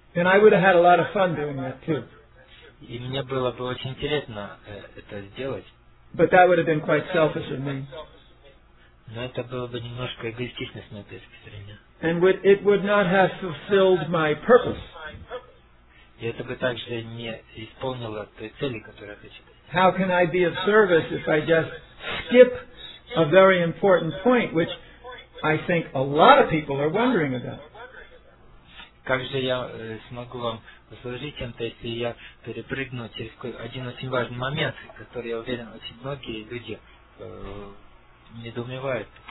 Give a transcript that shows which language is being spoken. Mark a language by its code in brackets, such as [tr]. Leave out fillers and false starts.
[en] And I would have had a lot of fun doing that too. [ru] И мне было бы очень интересно это сделать. [en] But that would have been quite selfish of me. [ru] Но это было бы немножко эгоистично с моей точки зрения. [en] And it would not have fulfilled my purpose. [ru] И это бы также не исполнило той цели, которую я хочу. [en] How can I be of service if I just skip a very important point, which I think a lot of people are wondering about? [ru] Как же я смогу вам услужить чем-то, если я перепрыгну через один очень важный момент, который, я уверен, очень многие люди недоумевают.